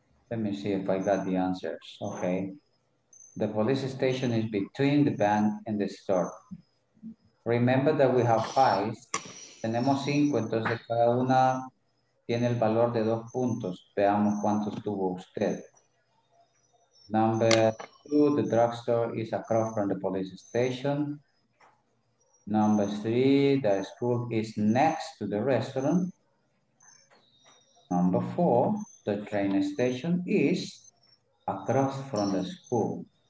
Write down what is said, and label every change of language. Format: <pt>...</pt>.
<en>Let me see if I got the answers. Okay. The police station is between the bank and the store. Remember that we have five.</en> <es>Tenemos cinco, entonces cada una tiene el valor de dos puntos. Veamos cuántos tuvo usted.</es> <en>Number two, the drugstore is across from the police station. Number three, the school is next to the restaurant. Number four, the train station is across from the school.</en>